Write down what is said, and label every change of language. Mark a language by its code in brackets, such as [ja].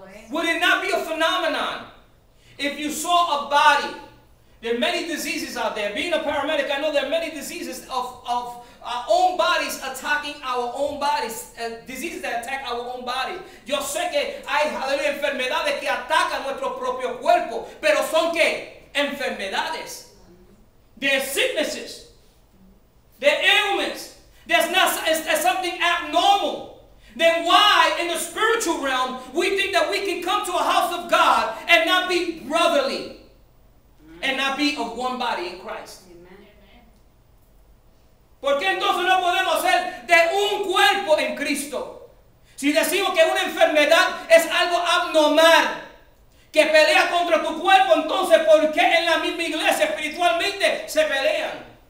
[en] Would it not be a phenomenon if you saw a body? There are many diseases out there. Being a paramedic, I know there are many diseases of our own bodies attacking our own bodies. Diseases that attack our own bodies. [es] Yo sé que hay, hallelujah, enfermedades que atacan nuestro propio cuerpo. Pero son qué? Enfermedades. [en] There are sicknesses. There are ailments. There's something abnormal. Then why, in the spiritual realm, we think that we can come to a house of God and not be brotherly? And not be of one body in Christ. [es] ¿Por qué entonces no podemos ser de un cuerpo en Cristo? Si decimos que una enfermedad es algo abnormal, que pelea contra tu cuerpo, entonces ¿por qué en la misma iglesia espiritualmente se pelean?